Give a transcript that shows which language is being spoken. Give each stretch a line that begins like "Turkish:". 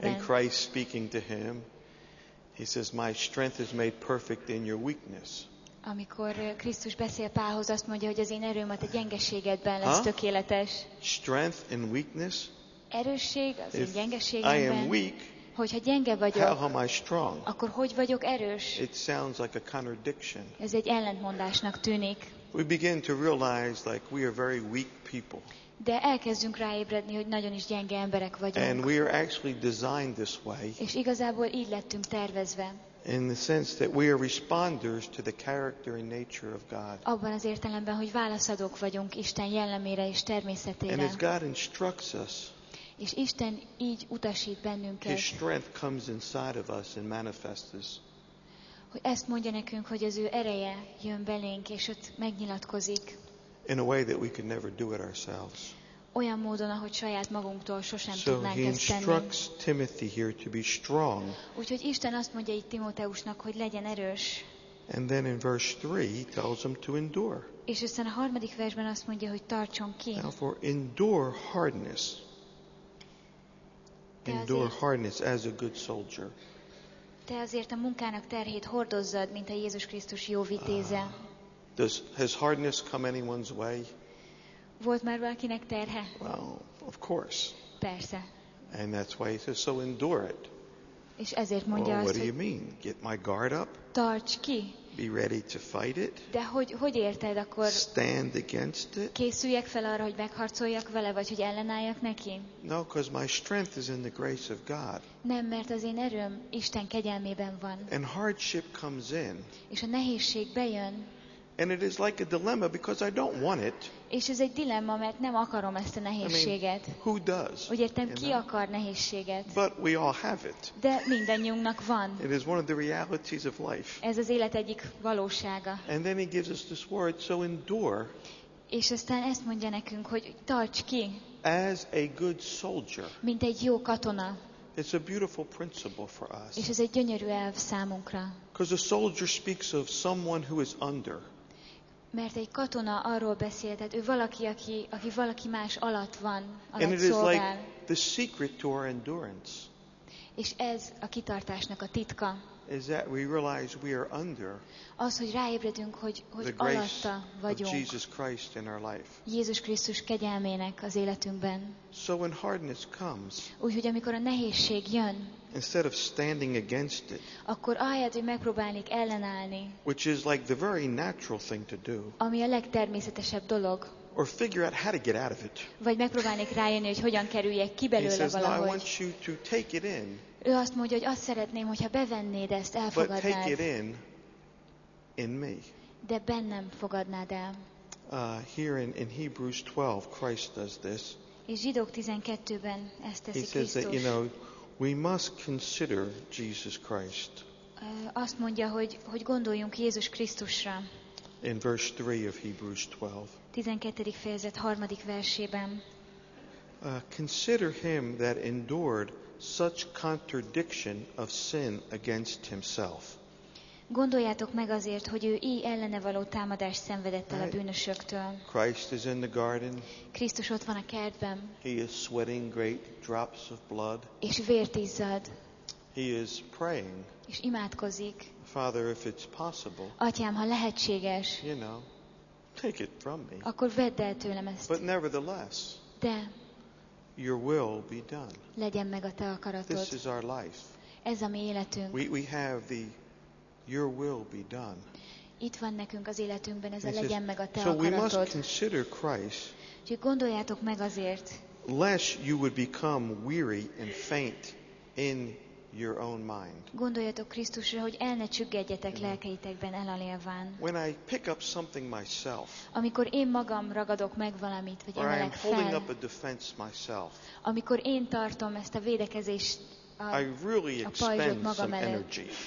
English: and Christ speaking to him, he says, my strength is made perfect in your weakness.
Hungarian: Amikor Krisztus beszél Pálhoz, azt mondja, hogy az én erőm a te gyengeségedben lesz tökéletes.
English: Strength and weakness.
Hungarian: Erősség az
English: If
Hungarian: én gyengeségemben.
English: I am weak,
Hungarian: hogyha gyenge vagyok,
English: how am I strong?
Hungarian: Akkor hogy vagyok erős?
English: It sounds like a contradiction.
Hungarian: Ez egy ellentmondásnak tűnik.
English: We begin to realize like we are very weak people.
Hungarian: De elkezdünk ráébredni, hogy nagyon is gyenge emberek vagyunk.
English: And we are actually designed this way.
Hungarian: És igazából így lettünk tervezve.
English: In the sense that we are responders to the character and nature of God.
Hungarian: Abban az értelemben, hogy válaszadók vagyunk Isten jellemére és természetére.
English: And as God instructs us.
Hungarian: És Isten így utasít bennünket.
English: His strength comes inside of us and manifests.
Hungarian: Hogy ezt mondja nekünk, hogy az ő ereje jön belénk és ott megnyilatkozik.
English: In a way that we could never do it ourselves.
Hungarian: Olyan módon, ahogy saját magunktól sosem
English: so
Hungarian: tudnánk ezt tenni.
English: He instructs Timothy here to be strong.
Hungarian: Úgyhogy Isten azt mondja itt Timóteusnak, hogy legyen erős.
English: And then in verse 3 he tells him to endure.
Hungarian: És aztán a harmadik versben azt mondja, hogy tartson ki.
English: Now for endure hardness. Endure hardness as a good soldier.
Hungarian: Te azért a munkának terhét hordozzad, mint a Jézus Krisztus jó vitéze.
English: Has hardness come anyone's way?
Hungarian: Volt már valakinek terhe?
English: Well, of course.
Hungarian: Persze.
English: And that's why he says, so endure it.
Hungarian: És ezért mondja
English: well,
Hungarian: azt,
English: what do you mean? Get my guard up?
Hungarian: Tarts ki.
English: Be ready to fight it.
Hungarian: De hogy érted akkor?
English: Stand against it.
Hungarian: Készüljek fel arra, hogy megharcoljak vele, vagy hogy ellenálljak neki?
English: No, because my strength is in the grace of God.
Hungarian: Nem, mert az én erőm Isten kegyelmében van.
English: And hardship comes in.
Hungarian: És a nehézség bejön.
English: And it is like a dilemma because I don't want it.
Hungarian: És ez egy dilemma, mert nem akarom ezt a nehézséget.
English: I mean, who does?
Hungarian: Úgy értem, ki akar nehézséget?
English: But we all have it.
Hungarian: De mindannyiunknak van.
English: It is one of the realities of life.
Hungarian: Ez az élet egyik valósága.
English: And then he gives us this word, so endure.
Hungarian: És aztán ezt mondja nekünk, hogy tarts ki.
English: As a good soldier.
Hungarian: Mint egy jó katona.
English: It's a beautiful principle for us.
Hungarian: És ez egy gyönyörű elv számunkra.
English: Because a soldier speaks of someone who is under.
Hungarian: Mert egy katona arról beszél, tehát ő valaki, aki valaki más alatt van, alatt szolgál.
English: And it is like the secret to our endurance.
Hungarian: És ez a kitartásnak a titka.
English: Is that we realize we are under.
Hungarian: Az, hogy ráébredünk, hogy alatta vagyunk.
English: Of Jesus Christ in our life.
Hungarian: Jézus Krisztus kegyelmének az életünkben.
English: So when hardness comes.
Hungarian: Úgyhogy amikor a nehézség jön.
English: Instead of standing against it.
Hungarian: Akkor ahelyett, hogy megpróbálnék ellenállni.
English: Which is like the very natural thing to do.
Hungarian: Ami a legtermészetesebb dolog.
English: Or figure out how to get out of it.
Hungarian: Vagy megpróbálnék rájönni, hogy hogyan kerüljek ki belőle valahogy.
English: He says, no, I want you to take it in.
Hungarian: Ő azt mondja, hogy azt szeretném, hogyha bevennéd ezt, elfogadnád.
English: But take it in me.
Hungarian: De bennem fogadnád el.
English: Here in Hebrews 12, Christ does this.
Hungarian: És Zsidók 12-ben ezt teszi Krisztus.
English: He says that, you know, we must consider Jesus Christ.
Hungarian: Azt mondja, hogy gondoljunk Jézus Krisztusra.
English: In verse 3 of Hebrews 12.
Hungarian: 12. fejezet 3. versében.
English: Consider him that endured such contradiction of sin against himself.
Hungarian: Gondoljátok meg azért, hogy ő így ellene való támadást szenvedett el a bűnösöktől.
English: Christ is in the garden.
Hungarian: Krisztus ott van a kertben.
English: He is sweating great drops of blood.
Hungarian: És vért izzad.
English: He is praying.
Hungarian: És imádkozik.
English: Father, if it's possible.
Hungarian: Atyám, ha lehetséges.
English: You know, take it from me.
Hungarian: Akkor vedd el tőlem ezt.
English: But nevertheless.
Hungarian: De.
English: Your will be done.
Hungarian: Legyen meg a te akaratod.
English: This is our life.
Hungarian: Ez a mi életünk.
English: We have the your will be done.
Hungarian: Itt van nekünk az életünkben ez a legyen meg a te akaratod.
English: So we must consider Christ.
Hungarian: Úgyhogy gondoljátok meg azért.
English: Lest you would become weary and faint in your own mind.
Hungarian: Gondoljatok Krisztusra, hogy el ne csüggedjetek lelkeitekben elalélván.
English: When I pick up something myself.
Hungarian: Amikor én magam ragadok meg valamit, vagy emelek fel.
English: I'm holding up a defense myself.
Hungarian: Amikor én tartom ezt a védekezést
English: I really expend some energy.